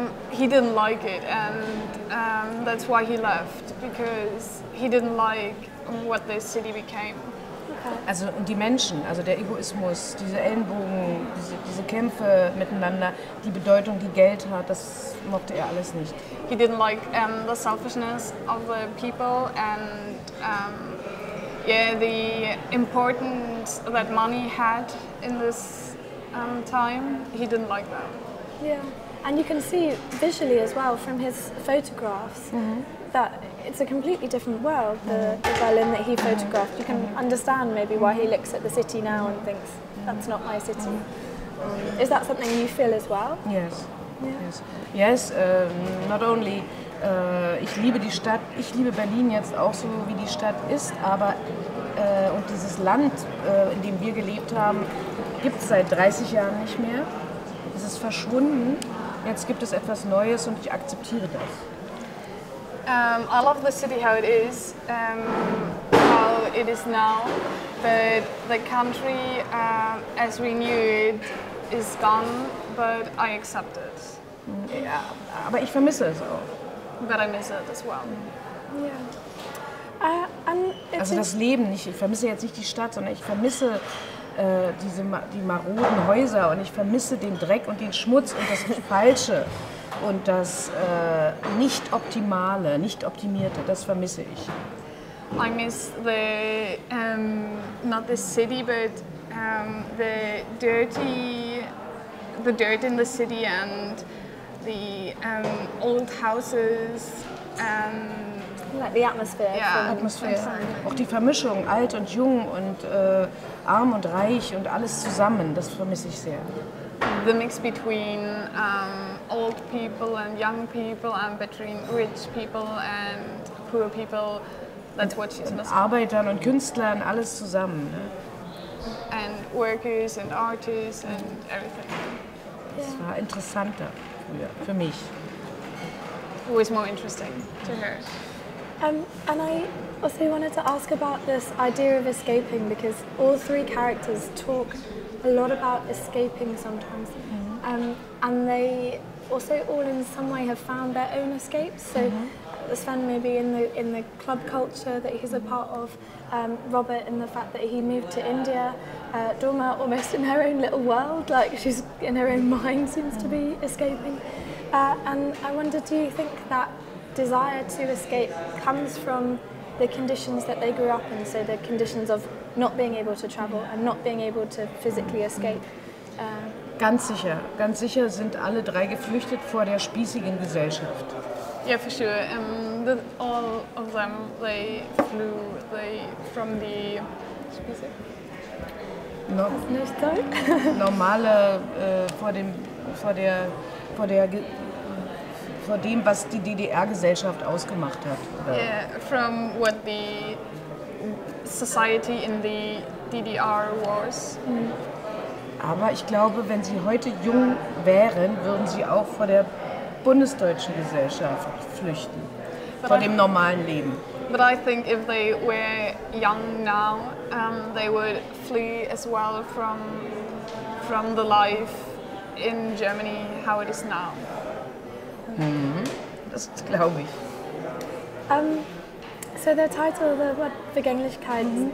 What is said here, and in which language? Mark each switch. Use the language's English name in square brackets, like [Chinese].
[English] He didn't like it, and that's why he left, because he didn't like what the city became. [German] Also die Menschen, also der Egoismus, diese Ellenbogen, diese Kämpfe miteinander, die Bedeutung, die Geld hat, das mochte er alles nicht. [English] He didn't like the selfishness of the people and the importance that money had in this time. He didn't like that. Yeah, and you can see visually as well from his photographs that it's a completely different world, the Berlin that he photographed. You can understand maybe why he looks at the city now and thinks, that's not my city. Is that something you feel as well? Yes. Yeah. Yes, not only, [German] ich liebe die Stadt, ich liebe Berlin jetzt auch so, wie die Stadt ist, aber, und dieses Land, in dem wir gelebt haben, gibt es seit 30 Jahren nicht mehr. Es ist verschwunden Jetzt gibt es etwas Neues und ich akzeptiere das. [English] I love the city how it is, how it is now, but the country as we knew it is gone, but I accept it. [German] Yeah, aber ich vermisse es auch. [English] But I miss it as well. Yeah. [German] Also das Leben, ich vermisse jetzt nicht die Stadt, sondern ich vermisse die maroden Häuser und ich vermisse den Dreck und den Schmutz und das Falsche und das Nicht-Optimale, Nicht-Optimierte, das vermisse ich. [English] I miss the, not the city, but the dirty, the dirt in the city and the old houses and like the atmosphere. Yeah, from atmosphere. [German] Auch die Vermischung, alt und jung und arm und reich und alles zusammen, das vermisse ich sehr. [English] The mix between old people and young people and between rich people and poor people, that's what she's missing. [German] Arbeitern und Künstlern, alles zusammen. Ne? [English] And workers and artists and everything. [German] Das war interessanter früher, für mich. [English] Who is more interesting to her? And I also wanted to ask about this idea of escaping, because all three characters talk a lot about escaping sometimes. Mm-hmm. And they also all in some way have found their own escapes. So mm-hmm. Sven maybe in the club culture that he's a part of, Robert in the fact that he moved to India, Dorma almost in her own little world, like she's in her own mind seems mm-hmm. to be escaping. And I wonder, do you think that desire to escape comes from the conditions that they grew up in, so the conditions of not being able to travel and not being able to physically escape? [German] Ganz sicher sind alle drei geflüchtet vor der spießigen Gesellschaft. [English] Yeah, for sure. All of them, they flew from the [German] normale vor dem, was die DDR-Gesellschaft ausgemacht hat. Oder? [English] Yeah, from what the society in the DDR was. Mm. [German] Aber ich glaube, wenn sie heute jung wären, würden sie auch vor der bundesdeutschen Gesellschaft flüchten, dem normalen Leben. [English] But I think if they were young now, they would flee as well from the life in Germany, how it is now. [German] Das glaube ich. [English] So the title, the word Vergänglichkeit, mm-hmm.